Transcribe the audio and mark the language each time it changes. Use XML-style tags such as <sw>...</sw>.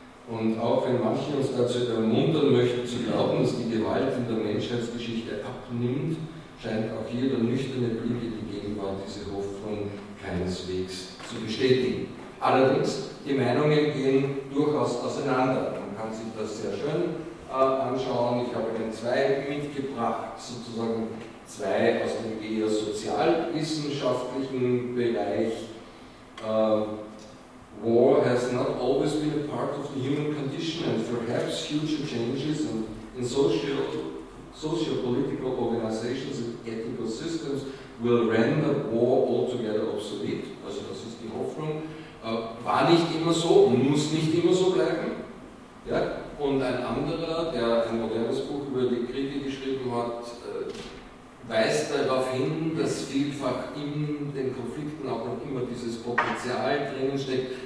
<de>Und auch wenn manche uns dazu ermuntern möchten zu glauben, dass die Gewalt in der Menschheitsgeschichte abnimmt, scheint auch hier der nüchterne Blick in die Gegenwart diese Hoffnung keineswegs zu bestätigen. Allerdings, die Meinungen gehen durchaus auseinander. Man kann sich das sehr schön anschauen. Ich habe Ihnen zwei mitgebracht, sozusagen zwei aus dem eher sozialwissenschaftlichen Bereich.</de> <en>War has not always been a part of the human condition and perhaps future changes in sociopolitical organizations and ethical systems will render war altogether obsolete.</en> <de>Also das ist die Hoffnung. War nicht immer so, muss nicht immer so bleiben. Ja? Und ein anderer, der ein modernes Buch über die Kriege geschrieben hat, weist darauf hin, dass vielfach in den Konflikten auch noch immer dieses Potenzial drinnen steckt.</de>